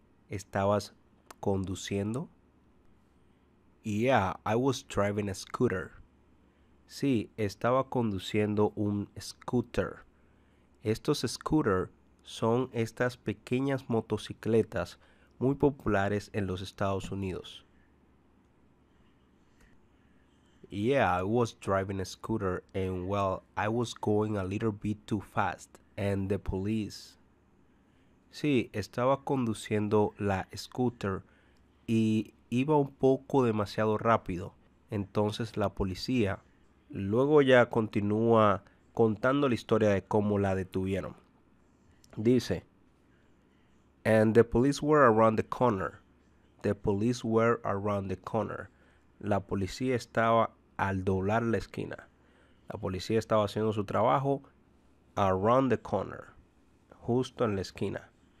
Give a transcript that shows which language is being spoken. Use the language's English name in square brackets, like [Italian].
[Spanish] ¿Estabas conduciendo? [English] Yeah, I was driving a scooter. [Spanish] Sí, estaba conduciendo un scooter. Estos scooters son estas pequeñas motocicletas muy populares en los Estados Unidos. [English] Yeah, I was driving a scooter and, well, I was going a little bit too fast and the police... [Spanish] Sí, estaba conduciendo la scooter y iba un poco demasiado rápido. Entonces la policía, luego ya continúa contando la historia de cómo la detuvieron. [English] Dice, and the police were around the corner. The police were around the corner. [Spanish] La policía estaba al doblar la esquina. La policía estaba haciendo su trabajo [English] around the corner, [Spanish] justo en la esquina.